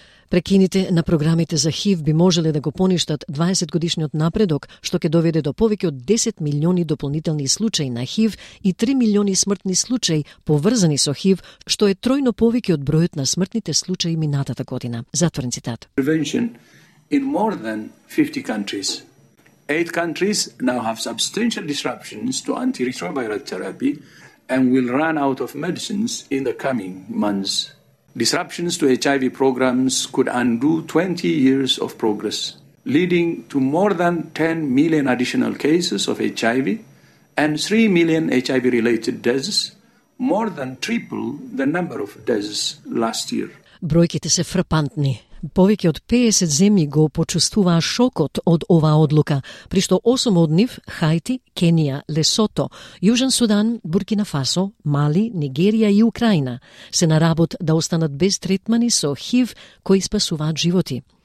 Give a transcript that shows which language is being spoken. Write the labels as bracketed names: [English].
[Macedonian] Прекините на програмите за ХИВ би можеле да го поништат 20-годишниот напредок, што ќе доведе до повеќе од 10 милиони дополнителни случаи на ХИВ и 3 милиони смртни случаи поврзани со ХИВ, што е тројно повеќе од бројот на смртните случаи минатата година. Затворен цитат. [English] Prevention in more than 50 countries. 8 countries now have substantial disruptions to antiretroviral therapy and will run out of medicines in the coming months. Disruptions to HIV programs could undo 20 years of progress, leading to more than 10 million additional cases of HIV and 3 million HIV-related deaths, more than triple the number of deaths last year. [Macedonian] Бројките се фрапантни. Повеќе од 50 земји го почувствуваа шокот од оваа одлука, при што 8 од нив, Хајти, Кенија, Лесото, Јужен Судан, Буркина Фасо, Мали, Нигерија и Украина, се на работ да останат без третмани со ХИВ кои спасуваат животи.